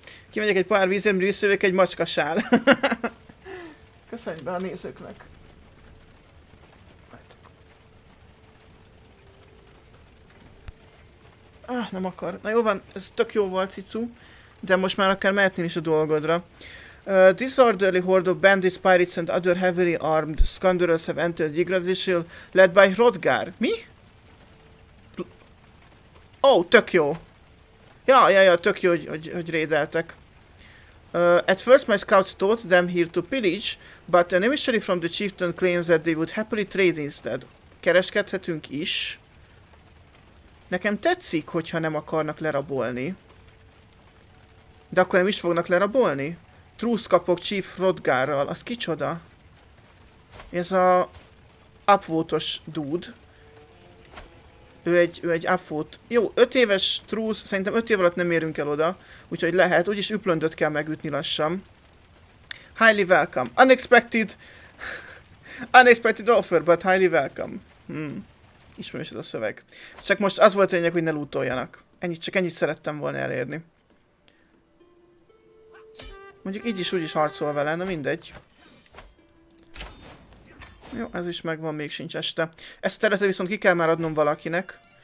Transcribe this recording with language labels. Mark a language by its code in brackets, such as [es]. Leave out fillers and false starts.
[hu] Kimegyek egy pár vízért, mert visszajövök egy macskasál. Köszönj be a nézőknek. Nem akar. Na jó van, ez tök jó volt, cicu. De most már akár mehetnél is a dolgodra. [en] Disorderly horde of bandits, pirates and other heavily armed scoundrels have entered Yggdrasil Hill, led by Hrodgar. [hu] Mi? Tök jó. Ja, tök jó, hogy rédeltek. [en] At first my scouts taught them here to pillage, but an emissary from the chieftain claims that they would happily trade instead. [hu] Kereskedhetünk is. Nekem tetszik, hogyha nem akarnak lerabolni. De akkor nem is fognak lerabolni? Trust kapok Chief Hrodgarral, az kicsoda? Ez a... upvote-os dude. Ő egy upvote. Jó, 5 éves trust, szerintem 5 év alatt nem érünk el oda. Úgyhogy lehet, úgyis üplöndöt kell megütni lassan. [en] Highly welcome. Unexpected offer, but highly welcome. [hu] Ismerős ez a szöveg. Csak most az volt a lényeg, hogy ne lootoljanak. Ennyit, csak ennyit szerettem volna elérni. Mondjuk így is úgy is harcol vele, na mindegy. Jó, ez is megvan, még sincs este. Ezt a területet viszont ki kell már adnom valakinek.